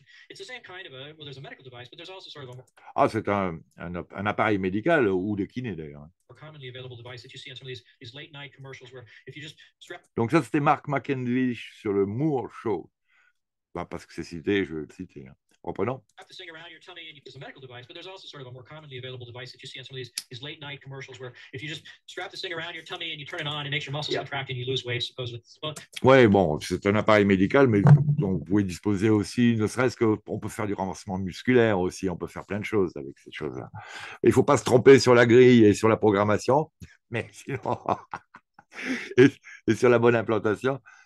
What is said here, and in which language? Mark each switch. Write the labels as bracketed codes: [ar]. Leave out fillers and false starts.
[en] It's the same kind of a, well, there's a medical device, but there's also sort of a... [fr] Ah, c'est un appareil médical, ou de kiné d'ailleurs. [en] Or commonly available device that you see on some of these late night commercials where if you just... [fr] Donc ça, c'était Mark McEnvish sur le Moore Show. Bah, parce que c'est cité, je vais le citer, hein. Reprenons. [en] Have to sing around your tummy and you use a medical device, but there's also sort of a more commonly available device that you see on some of these late night commercials where if you just strap this thing around your tummy and you turn it on, it makes your muscles contract and you lose weight, supposedly. [fr] Ouais, bon, c'est un appareil médical, mais donc vous pouvez disposer aussi, ne serait-ce que on peut faire du renforcement musculaire aussi, on peut faire plein de choses avec ces choses-là. Il ne faut pas se tromper sur la grille et sur la programmation, mais sinon et sur la bonne implantation.